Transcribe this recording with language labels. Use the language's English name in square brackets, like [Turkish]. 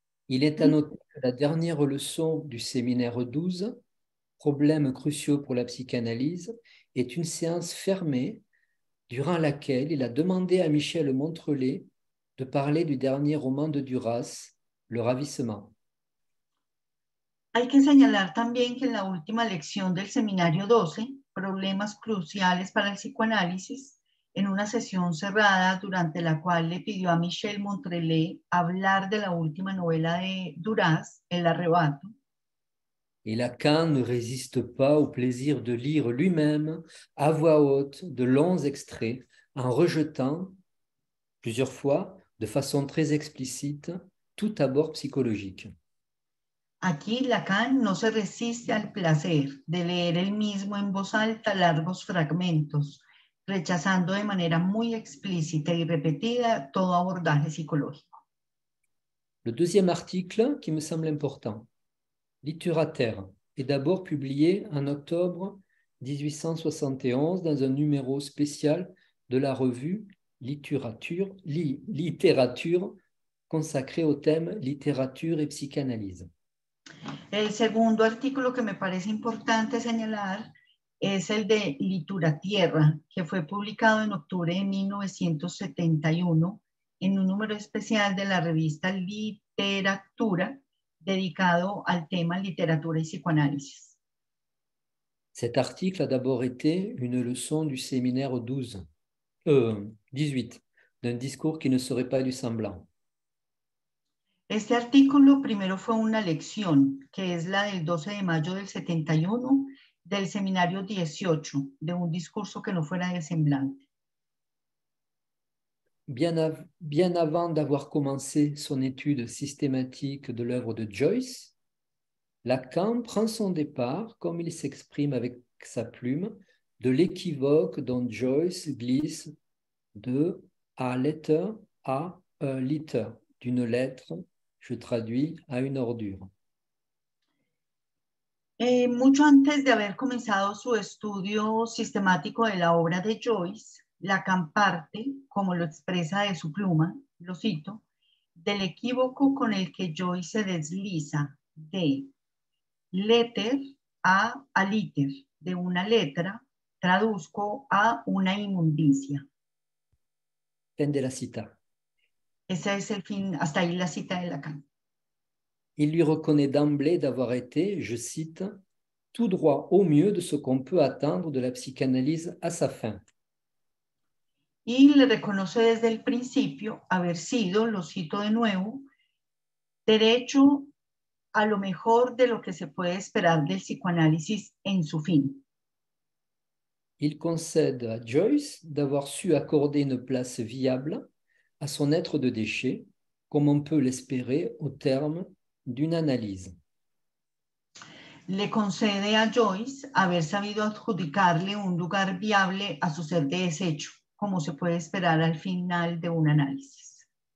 [French] Il est à noter que la dernière leçon du séminaire 12, « Problèmes cruciaux pour la psychanalyse », est une séance fermée durant laquelle il a demandé à Michel Montrelet de parler du dernier roman de Duras, Le Ravissement. [Spanish] Hay que señalar también que en la última lección del seminario 12, Problemas cruciales para el psicoanálisis, en una sesión cerrada durante la cual le pidió a Michel Montrelet hablar de la última novela de Duras, El Arrebato. [French] Et Lacan ne résiste pas au plaisir de lire lui-même à voix haute de longs extraits en rejetant plusieurs fois de façon très explicite tout abord psychologique. [Spanish] Aquí Lacan no se resiste al placer de leer él mismo en voz alta largos fragmentos, rechazando de manera muy explícita y repetida todo abordaje psicológico. [French] Le deuxième article qui me semble important. Littérateur est d'abord publié en octobre 1871 dans un numéro spécial de la revue Littérature consacrée au thème littérature et psychanalyse. [Spanish] El segundo artículo que me parece importante señalar es el de Literatura, que fue publicado en octubre de 1971 en un número especial de la revista Literatura dedicado al tema literatura y psicoanálisis. [French] Cet article a d'abord été une leçon du séminaire 18, d'un discours qui ne serait pas du semblant. [Spanish] Este artículo primero fue una lección, que es la del 12 de mayo del 71, del seminario 18, de un discurso que no fuera de semblante. [French] Bien avant d'avoir commencé son étude systématique de l'œuvre de Joyce, Lacan prend son départ, comme il s'exprime avec sa plume, de l'équivoque dont Joyce glisse de « [English] a letter [French] » à « [English] a litter [French] », d'une lettre, je traduis, à une ordure. [Spanish] Mucho antes de haber comenzado su estudio sistemático de la obra de Joyce, Lacan parte, como lo expresa de su pluma, lo cito, del equívoco con el que Joyce se desliza de letter a aliter, de una letra, traduzco a una inmundicia. Fin de la cita. Ese es el fin, hasta ahí la cita de Lacan. [French] Il lui reconnaît d'emblée d'avoir été, je cite, tout droit au mieux de ce qu'on peut attendre de la psychanalyse à sa fin. [Spanish] Il reconoce desde el principio haber sido, lo cito de nuevo, derecho a lo mejor de lo que se puede esperar del psicoanálisis en su fin. [French] Il concède à Joyce d'avoir su accorder une place viable à son être de déchet, comme on peut l'espérer au terme d'une analyse. [Spanish] Le concede a Joyce haber sabido adjudicarle un lugar viable a su ser de desecho, como se puede esperar al final de un análisis.